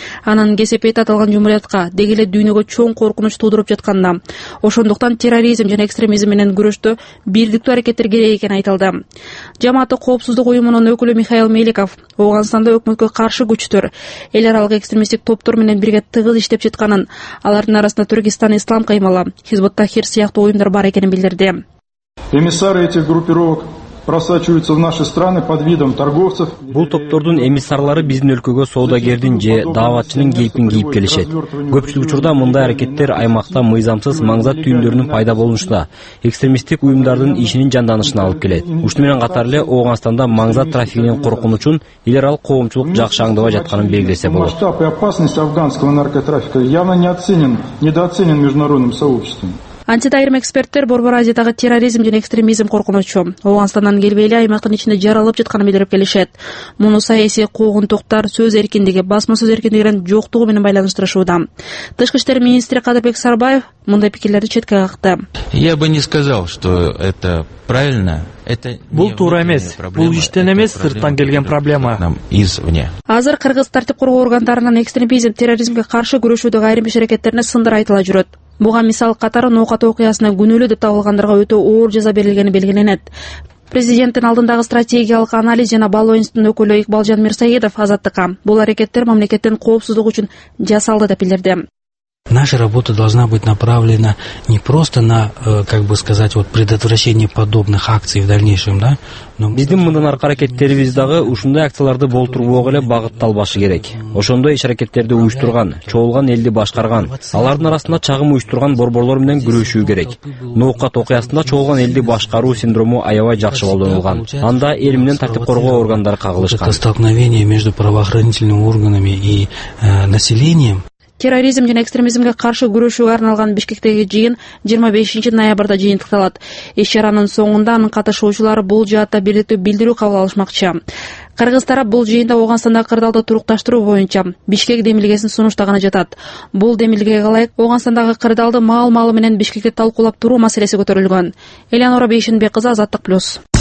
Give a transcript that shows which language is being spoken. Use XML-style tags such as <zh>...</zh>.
<ky>Анын кесепети аталган жумуриятка деги эле дүйнөгө чоң коркунуч туудуруп жатканда, ошондуктан терроризм жана экстремизм менен күрөштө бирдиктүү аракеттер керек экени айтылды. Жамааттык коопсуздук уюмунун өкүлү Михаил Меликов Ооганстанда өкмөткө каршы күчтөр эл аралык экстремисттик топтор менен бирге тыгыз иштеп жатканын, алардын арасында Түркистан Ислам Каймалы, Хизбут Тахир сыяктуу уюмдар бар экенин билдирди.</ky> <ru>Эмиссары этих группировок просачиваются в наши страны под видом торговцев.</ru> <ky>Бул топтордун эмиссарлары биздин өлкөгө соодагердин же даавачынын кейпин кийип келишет. Көпчүлүк учурда мындай аракеттер аймакта мыйзамсыз маңзат түйүндөрүнүн пайда болушуна, экстремисттик уюмдардын ишинин жанданышына алып келет. Ушуну менен катар эле Ооганстанда маңзат трафигинен коркунучун эл аралык коомчулук жакшы аңдап жатканын белгилесе болот.</ky> <ru>Масштаб и опасность афганского наркотрафика явно недооценен международным сообществом.</ru> <ky>Антитайрым эксперттер Борбор Азиядагы терроризм жана экстремизм коркунучу Ооганстандан келбей эле аймактын ичинде жаралып жатканын билдирип келишет. Муну саясий куугунтуктар, сөз эркиндиги, басма сөз эркиндигинин жоктугу менен байланыштырышууда. Тышкы иштер министри Кадырбек Сарбаев мындай пикирлерди четке какты.</ky> <ru>Я бы не сказал, что это правильно.</ru> <ky>Бул туура эмес. Бул иштен эмес, сырттан келген проблема. Азыр кыргыз тартип коргоо органдарынан экстремизм, терроризмге каршы күрөшүүдөгү айрым иш аракеттерине сындар айтыла жүрөт. Буга мисал катары Ноокат окуясына күнөөлүү деп табылгандарга өтө оор жаза берилгени белгиленет. Президенттин алдындагы стратегиялык анализ жана балонстун өкүлү Икбалжан Мирсаидов азаттыкка бул аракеттер мамлекеттин коопсуздугу үчүн жасалды деп билдирди.</ky> <ru>Наша работа должна быть направлена не просто на, как бы сказать, вот предотвращение подобных акций в дальнейшем, да?</ru> <ky>Биздин мындан аркы аракеттерибиз дагы ушундай акцияларды болтурбоого эле багытталбашы керек. Ошондой иш аракеттерди уюштурган, чогулган элди башкарган, алардын арасында чагым уюштурган борборлор менен күрөшүү керек. Ноокат окуясында чогулган элди башкаруу синдрому аябай жакшы колдонулган. Анда эл менен тартип коргоо органдары кагылышкан.</ky> <ru>Столкновение между правоохранительными органами и населением.</ru> <ky>терроризм жана экстремизмге каршы күрөшүүгө арналган Бишкектеги жыйын 25 ноябрда жыйынтыкталат. Иш-чаранын соңунда анын катышуучулары бул жаатта билдирүү кабыл алышмакчы. Кыргыз тарап бул жыйында Ооганстандагы кырдаалды турукташтыруу боюнча Бишкек демилгесин сунуштаганы жатат. Бул демилгеге ылайык Оогандагы кырдаалды маал-маалы менен Бишкекте талкуулап туруу маселеси көтөрүлгөн. Элеонора Бейшенбек кызы, Азаттык Плюс.</ky>